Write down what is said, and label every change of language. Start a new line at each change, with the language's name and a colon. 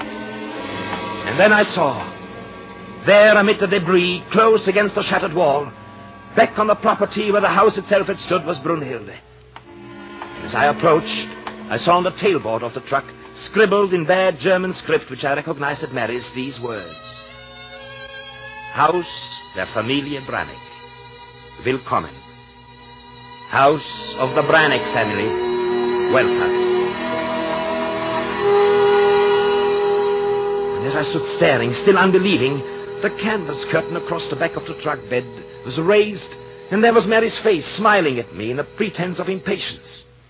English: And then I saw, there amid the debris, close against the shattered wall, back on the property where the house itself had stood, was Brunhilde. As I approached, I saw on the tailboard of the truck, scribbled in bad German script, which I recognized at Mary's, these words.
German: Haus der Familie Brannick. Willkommen.
English: House of the Brannick family. Welcome. As I stood staring, still unbelieving, the canvas curtain across the back of the truck bed was raised, and there was Mary's face smiling at me in a pretense of impatience.